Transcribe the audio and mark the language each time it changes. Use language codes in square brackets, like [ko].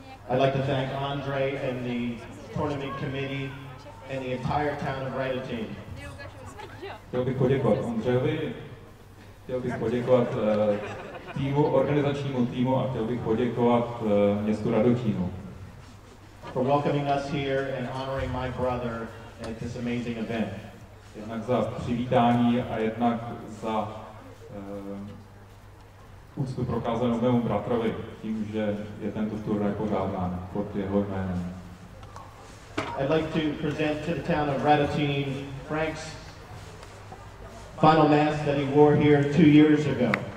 [en] I'd like to thank Andre and the tournament committee and the entire town of Raditín. [cs] Chtěl bych poděkovat Ondřejovi, chtěl bych poděkovat týmu, organizačnímu týmu, a chtěl bych poděkovat městu Radotínu. [en] For welcoming us here and honoring my brother at this amazing event. [cs] Jednak za přivítání a jednak za úctu prokázanou mému bratrovi tím, že je tento turnaj pořádán pod jeho jménem. [en] I'd like to present to the town of Raditín Frank's final mask that he wore here 2 years ago.